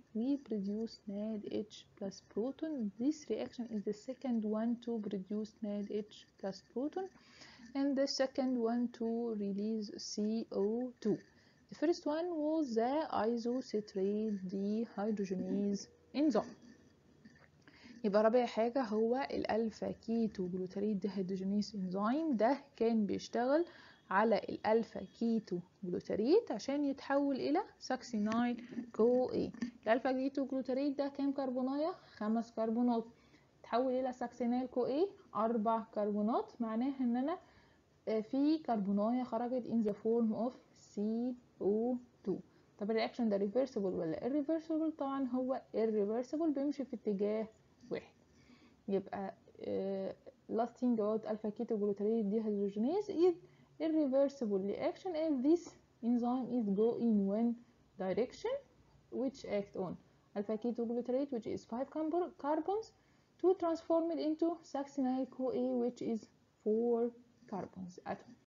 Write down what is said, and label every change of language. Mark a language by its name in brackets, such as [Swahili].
[English] We produce NADH plus proton. This reaction is the second one to produce NADH plus proton, and the second one to release CO2. The first one was the isocitrate dehydrogenase enzyme. [Arabic] يبقى رابع حاجة هو الألفا كيتو جلوتاريد ديهيدروجينيز إنزيم، ده كان بيشتغل على الألفا كيتو جلوتاريد عشان يتحول إلى ساكسينايل كو إي. الألفا كيتو جلوتاريد ده كام كربوناية؟ 5 كربونات، تحول إلى ساكسينايل كو إي 4 كربونات، معناه إن أنا في كربوناية خرجت [English] in the form of CO2. [Arabic] طب الرياكشن ده ريفرسيبل ولا irreversible؟ طبعا هو irreversible، بيمشي في اتجاه واحد. [English] يبقى lasting about alpha keto glutarate dehydrogenase is irreversible reaction if this enzyme is go in one direction which act on alpha keto glutarate which is 5 carbons to transform it into succinyl CoA which is 4 carbons atom.